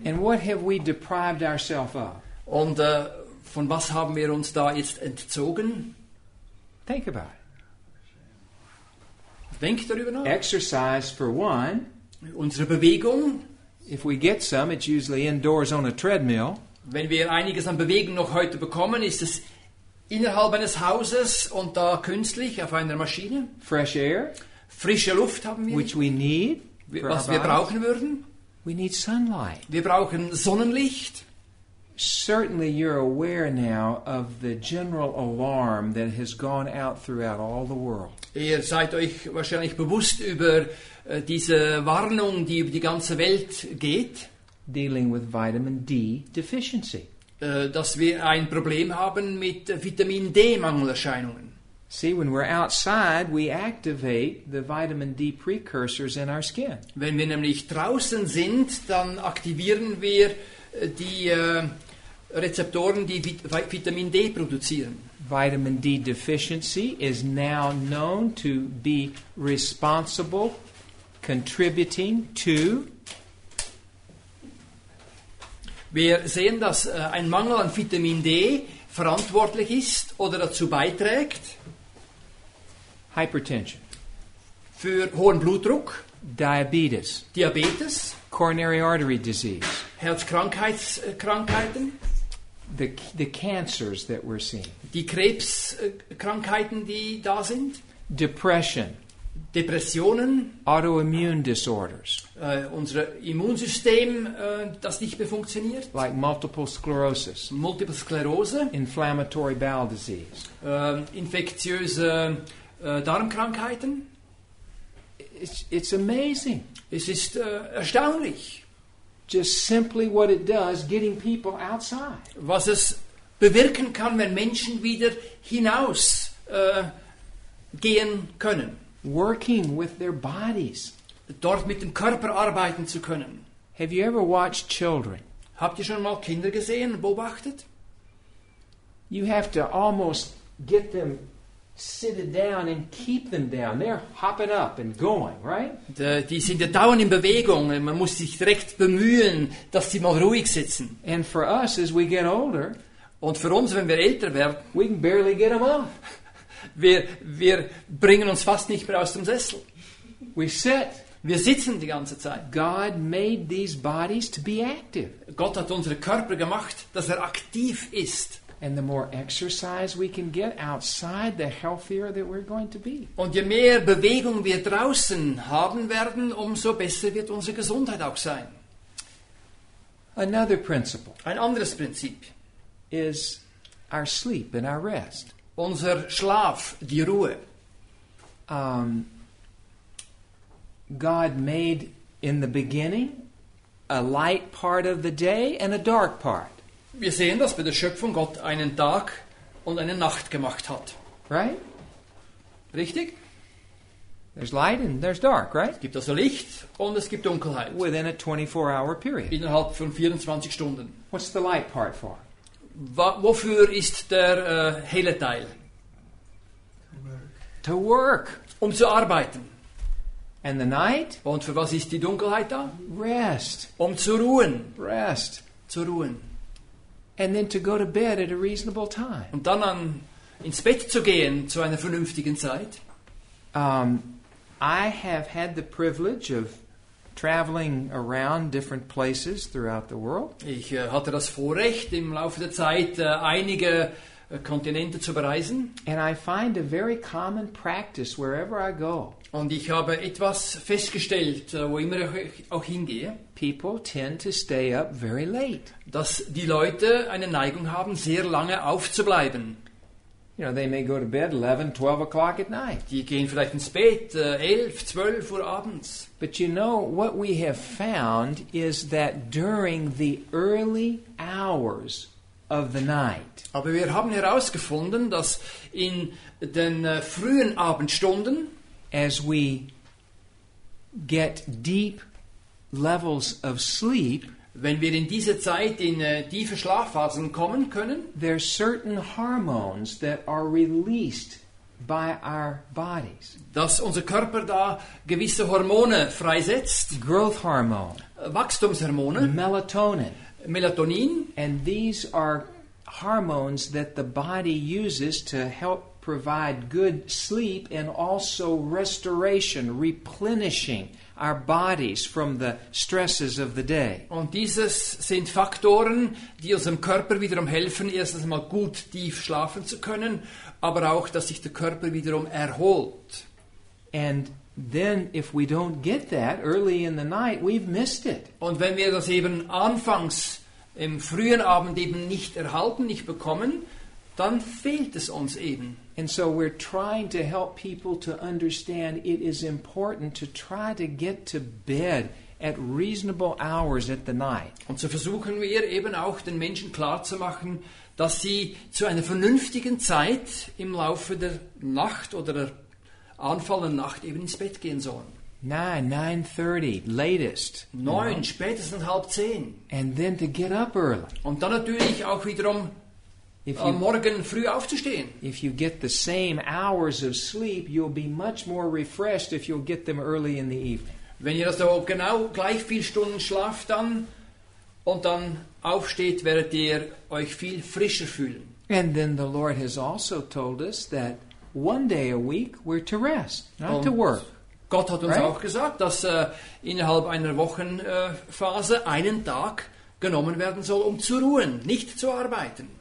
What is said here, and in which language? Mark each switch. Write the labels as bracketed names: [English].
[English] And what have we deprived ourselves of? [German] Und von was haben wir uns da jetzt entzogen? [English] Think about it. [German] Denk darüber nach. [English] Exercise for one. [German] Unsere Bewegung. [English] If we get some, it's usually indoors on a treadmill. [German] Wenn wir einiges an Bewegung noch heute bekommen, ist es innerhalb eines Hauses und da künstlich auf einer Maschine. [English] Fresh air. [German] Frische Luft haben wir. [English] Which we need. [German] Was wir brauchen würden. [English] We need sunlight. [German] Wir brauchen Sonnenlicht. [English] Certainly you're aware now of the general alarm that has gone out throughout all the world. [German] Ihr seid euch wahrscheinlich bewusst über diese Warnung, die über die ganze Welt geht. [English] Dealing with vitamin D deficiency. [German] Dass wir ein Problem haben mit Vitamin D-Mangelerscheinungen. [English] See, when we're outside, we activate the vitamin D precursors in our skin. [German] Wenn wir nämlich draußen sind, dann aktivieren wir die Rezeptoren, die Vitamin D produzieren. [English] Vitamin D deficiency is now known to be responsible, contributing to. [German] Wir sehen, dass ein Mangel an Vitamin D verantwortlich ist oder dazu beiträgt. [English] Hypertension. [German] Für hohen Blutdruck. [English] Diabetes. [German] Diabetes. [English] Coronary artery disease. [German] Herzkrankheiten. [English] The cancers that we're seeing. [German] Die Krebskrankheiten, die da sind. [English] Depression. [German] Depressionen. [English] Autoimmune disorders. [German] Unsere Immunsystem, das nicht mehr funktioniert. [English] Like multiple sclerosis. [German] Multiple Sklerose. [English] Inflammatory bowel disease. [German] Infektiöse Darmkrankheiten. [English] It's amazing. [German] Es ist erstaunlich. [English] Just simply what it does, getting people outside. [German] Was es bewirken kann, wenn Menschen wieder hinaus gehen können. [English] Working with their bodies. [German] Dort mit dem Körper arbeiten zu können. [English] Have you ever watched children? [German] Habt ihr schon mal Kinder gesehen, beobachtet? [English] You have to almost get them seated down and keep them down. They're hopping up and going, right? [German] Die sind ja dauernd in Bewegung. Man muss sich direkt bemühen, dass sie mal ruhig sitzen. [English] And for us, as we get older, [German] und für uns, wenn wir älter werden, [English] we can barely get them up. [German] Wir bringen uns fast nicht mehr aus dem Sessel. [English] We sit. [German] Wir sitzen die ganze Zeit. [English] God made these bodies to be active. [German] Gott hat unsere Körper gemacht, dass er aktiv ist. [English] And the more exercise we can get outside, the healthier that we're going to be. [German] Und je mehr Bewegung wir draußen haben werden, umso besser wird unsere Gesundheit auch sein. [English] Another principle. [German] Ein anderes Prinzip [English] is our sleep and our rest. [German] Unser Schlaf, die Ruhe. [English] God made in the beginning a light part of the day and a dark part. [German] Wir sehen, dass bei der Schöpfung Gott einen Tag und eine Nacht gemacht hat. [English] Right? [German] Richtig? [English] There's light and there's dark, right? [German] Es gibt also Licht und es gibt Dunkelheit. [English] Within a 24-hour period. [German] Innerhalb von 24 Stunden. [English] What's the light part for? [German] Wofür ist der helle Teil? [English] To work. [German] Um zu arbeiten. [English] And the night? [German] Und für was ist die Dunkelheit da? [English] Rest. [German] Um zu ruhen. [English] Rest. [German] Zu ruhen. [English] And then to go to bed at a reasonable time. [German] Und dann ins Bett zu gehen zu einer vernünftigen Zeit. [English] I have had the privilege of traveling around different places throughout the world. [German] Ich hatte das Vorrecht im Laufe der Zeit einige Kontinente zu bereisen. [English] And I find a very common practice wherever I go. [German] Und ich habe etwas festgestellt, wo immer ich auch hingehe. [English] People tend to stay up very late. [German] Dass die Leute eine Neigung haben, sehr lange aufzubleiben. [English] You know, they may go to bed 11, 12 o'clock at night. [German] Die gehen vielleicht ins Bett 11, 12 Uhr abends. [English] But you know, what we have found is that during the early hours of the night. [German] Aber wir haben herausgefunden, dass in den frühen Abendstunden, [English] as we get deep levels of sleep, [German] wenn wir in diese Zeit in tiefe Schlafphasen kommen können, [English] there are certain hormones that are released by our bodies. [German] Dass unser Körper da gewisse Hormone freisetzt. [English] Growth hormone. [German] Wachstumshormone. [English] Melatonin. [German] Melatonin. [English] And these are hormones that the body uses to help provide good sleep and also restoration, replenishing our bodies from the stresses of the day. [German] Und dieses sind Faktoren, die unserem Körper wiederum helfen, erstens mal gut tief schlafen zu können, aber auch, dass sich der Körper wiederum erholt. [English] And then if we don't get that early in the night, we've missed it. [German] Und wenn wir das eben anfangs im frühen Abend eben nicht erhalten, nicht bekommen, dann fehlt es uns eben. [English] And so we're trying to help people to understand it is important to try to get to bed at reasonable hours at the night. [German] Und so versuchen wir eben auch den Menschen klarzumachen, dass sie zu einer vernünftigen Zeit im Laufe der Nacht oder der anfallenden Nacht eben ins Bett gehen sollen. [English] 9:30 latest. [German] 9, spätestens 9:30. [English] And then to get up early. [German] Und dann natürlich auch wiederum am Morgen früh aufzustehen. [English] If you get the same hours of sleep, you'll be much more refreshed if you'll get them early in the evening. [German] Wenn ihr also genau gleich viel Stunden schlaft dann und dann aufsteht, werdet ihr euch viel frischer fühlen. [English] And then the Lord has also told us that one day a week we're to rest, not to work. [German] Gott hat uns auch gesagt, dass innerhalb einer Wochenphase einen Tag genommen werden soll, um zu ruhen, nicht zu arbeiten.